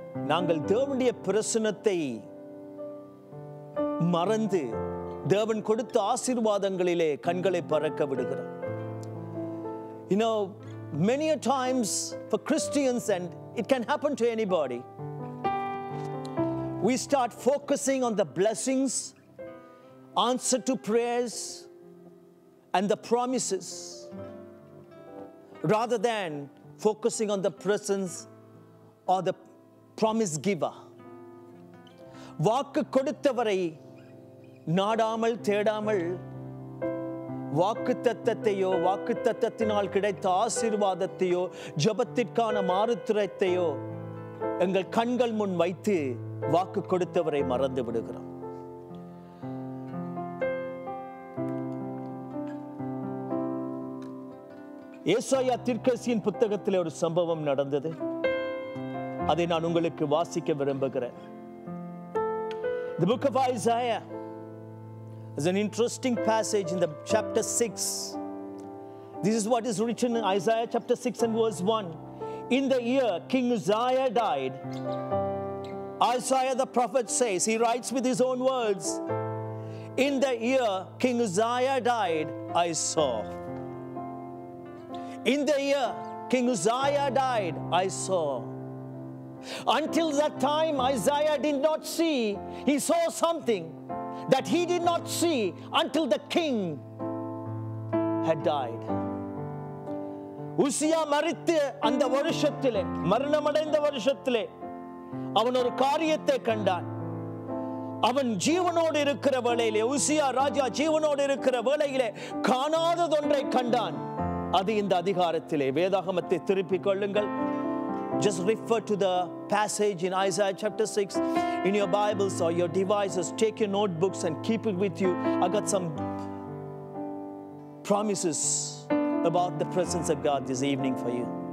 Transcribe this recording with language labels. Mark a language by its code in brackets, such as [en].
[ta] நாங்கள் தேவனுடைய பிரசன்னத்தை மறந்து தேவன் கொடுத்த ஆசீர்வாதங்களிலே கண்களை பறக்க விடுகிறோம். [en] You know, many a times for Christians, and it can happen to anybody, we start focusing on the blessings, answer to prayers, and the promises, rather than focusing on the presence or the promise giver. [ta] வாக்கு கொடுத்தவரை நாடாமல் தேடாமல் வாக்குத்தத்தையோ வாக்குத்தத்தினால் கிடைத்த ஆசீர்வாதத்தையோ ஜபத்திற்கான மாறுத்திரத்தையோ எங்கள் கண்கள் முன் வைத்து வாக்கு கொடுத்தவரை மறந்து விடுகிறோம். ஏசாயா தீர்க்கதரிசியின் புத்தகத்திலே ஒரு சம்பவம் நடந்தது. அதை நான் உங்களுக்கு வாசிக்க விரும்புகிறேன். [en] The book of Isaiah is an interesting passage in the chapter 6. This is what is written in Isaiah chapter 6 and verse 1. In the year King Uzziah died, Isaiah the prophet says, he writes with his own words, in the year King Uzziah died, I saw. In the year King Uzziah died, I saw. Until that time, Isaiah did not see. He saw something that he did not see until the king had died. [ta] உசியா மரித்து அந்த வருஷத்திலே, மரணமடைந்த வருஷத்திலே அவன் ஒரு காரியத்தை கண்டான். அவன் ஜீவனோடு இருக்கிற வேளையிலே, உசியா ராஜா ஜீவனோடு இருக்கிற வேளையிலே காணாததொன்றை கண்டான். அது இந்த அதிகாரத்திலே. வேதாகமத்தை திருப்பிக் கொள்ளுங்கள். [en] Just refer to the passage in Isaiah chapter 6 in your Bibles or your devices. Take your notebooks and keep it with you. I got some promises about the presence of God this evening for you.